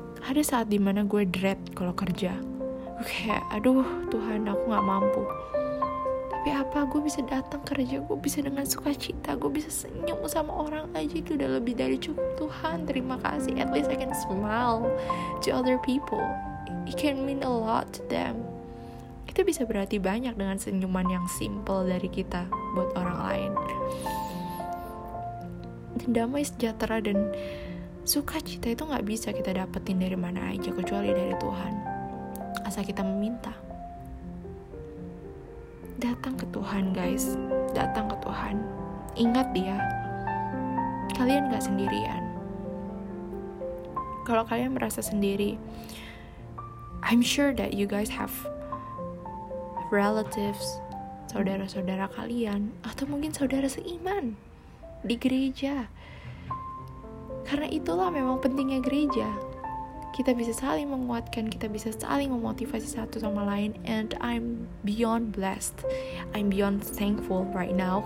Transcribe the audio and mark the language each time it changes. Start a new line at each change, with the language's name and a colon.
Indonesian: Ada saat dimana gue dread kalau kerja. Gue kayak, aduh Tuhan, aku gak mampu. Tapi apa, gue bisa datang kerja, gue bisa dengan sukacita, gue bisa senyum sama orang aja, itu udah lebih dari cukup. Tuhan, terima kasih.
English: At least I can smile to other people. It can mean a lot to them.
Indonesian: Itu bisa berarti banyak dengan senyuman yang simple dari kita buat orang lain. Dan damai sejahtera dan sukacita itu gak bisa kita dapetin dari mana aja kecuali dari Tuhan. Asal kita meminta. Datang ke Tuhan, guys. Datang ke Tuhan. Ingat dia. Kalian gak sendirian. Kalau kalian merasa sendiri,
English: I'm sure that you guys have relatives,
Indonesian: saudara-saudara kalian, atau mungkin saudara seiman di gereja. Karena itulah memang pentingnya gereja. Kita bisa saling menguatkan, kita bisa saling memotivasi satu sama lain.
English: And I'm beyond blessed, I'm beyond thankful right now.